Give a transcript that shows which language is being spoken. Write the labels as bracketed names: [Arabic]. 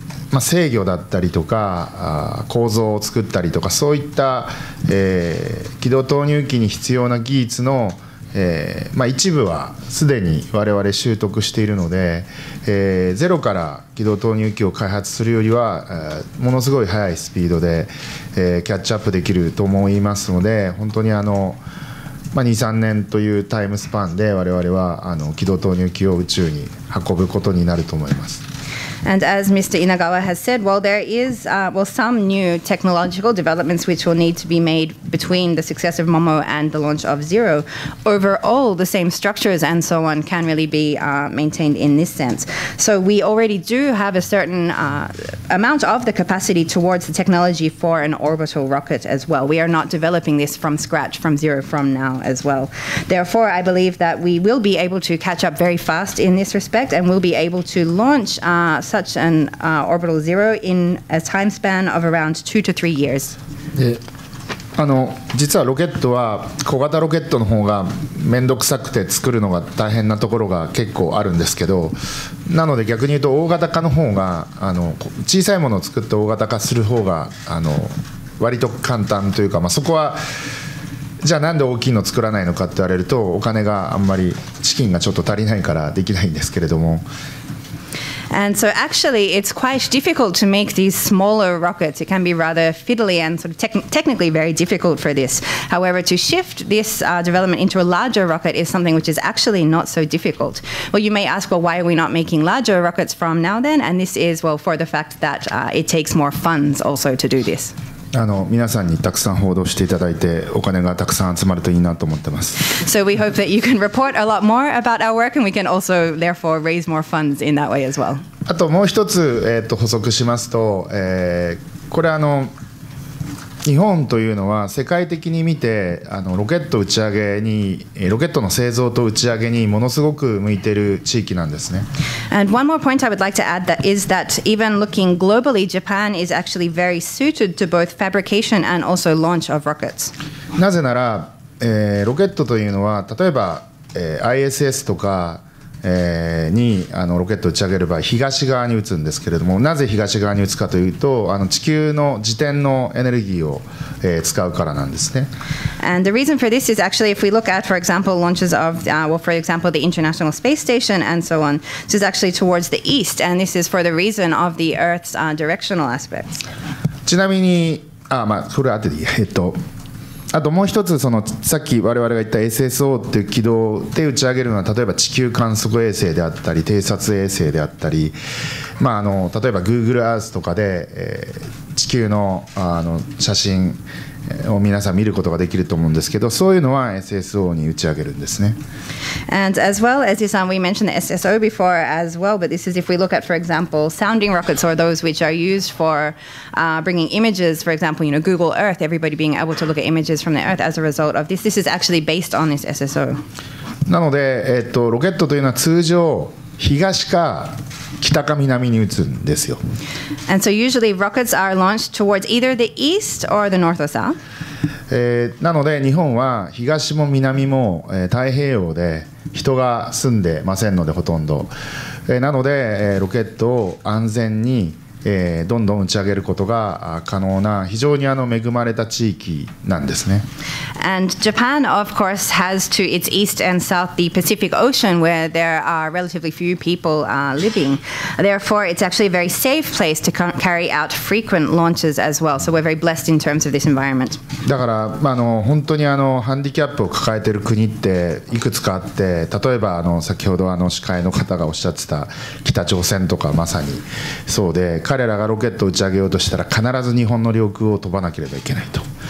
[Japanese] まあ、制御だったりとか構造を作ったりとかそういった、軌道投入機に必要な技術の、まあ、一部はすでに我々習得しているので、ゼロから軌道投入機を開発するよりは、ものすごい速いスピードで、キャッチアップできると思いますので、本当にまあ、2、3年というタイムスパンで我々は軌道投入機を宇宙に運ぶことになると思います。 [English] And as Mr. Inagawa has said, well, there is some new technological developments which will need to be made between the success of Momo and the launch of Zero. Overall, the same structures and so on can really be maintained in this sense. So we already do have a certain amount of the capacity towards the technology for an orbital rocket as well. We are not developing this from scratch, from zero, from now as well. Therefore, I believe that we will be able to catch up very fast in this respect and we'll be able to launch such an orbital zero in a time span of around 2 to 3 years. [Japanese] で、実はロケットは小型ロケットの方が面倒くさくて作るのが大変なところが結構あるんですけど、なので逆に言うと大型化の方が小さいものを作って大型化する方が割と簡単というか、まあ、そこはじゃあなんで大きいの作らないのかって言われると、お金があんまり、資金がちょっと足りないからできないんですけれども。 [English] And so actually it's quite difficult to make these smaller rockets. It can be rather fiddly and sort of technically very difficult for this. However, to shift this development into a larger rocket is something which is actually not so difficult. Well, you may ask, well, why are we not making larger rockets from now then? And this is, well, for the fact that it takes more funds also to do this. [Japanese] あの皆さんにたくさん報道していただいて、お金がたくさん集まるといいなと思ってます。 [English] So we hope that you can report a lot more about our work, and we can also therefore raise more funds in that way as well. [Japanese] あともう一つ、補足しますと、これ日本というのは世界的に見て、ロケット打ち上げに、ロケットの製造と打ち上げにものすごく向いている地域なんですね。 [English] And one more point I would like to add that is that even looking globally, Japan is actually very suited to both fabrication and also launch of rockets. [Japanese] なぜなら、ロケットというのは例えば、ISS とか、にロケット打ち上げる場合、東側に打つんですけれども、なぜ東側に打つかというと、地球の自転のエネルギーを、使うからなんですね。 [English] And the reason for this is actually if we look at, for example, launches of, well, for example, the International Space Station and so on, this is actually towards the east, and this is for the reason of the Earth's, directional aspects. [Japanese] ちなみに、それは後でいい。あともう一つ、そのさっき我々が言った SSO っていう軌道で打ち上げるのは、例えば地球観測衛星であったり偵察衛星であったり、例えば Google Earth とかで、地球 の, 写真を皆さん見ることができると思うんですけど、そういうのは SSO に打ち上げるんですね。 [English] And as well as you said, we mentioned the SSO before as well, but this is if we look at, for example, sounding rockets or those which are used for, bringing images, for example, you know, Google Earth, everybody being able to look at images from the Earth as a result of this, this is actually based on this SSO. [Japanese] なので、ロケットというのは通常東か北か南に打つんですよ。 [English] And so usually rockets are launched towards either the east or the north or south. [Japanese] なので日本は東も南も、太平洋で人が住んでませんので、ほとんど、なので、ロケットを安全に、どんどん打ち上げることが可能な非常に恵まれた地域なんですね。 [English] And Japan of course has to its east and south the Pacific Ocean where there are relatively few people living. Therefore it's actually a very safe place to carry out frequent launches as well. So we're very blessed in terms of this environment. [Japanese] だから、本当にハンディキャップを抱えている国っていくつかあって、例えば先ほど司会の方がおっしゃってた北朝鮮とかまさにそうで、彼らがロケットを打ち上げようとしたら必ず日本の領空を飛ばなければいけないと。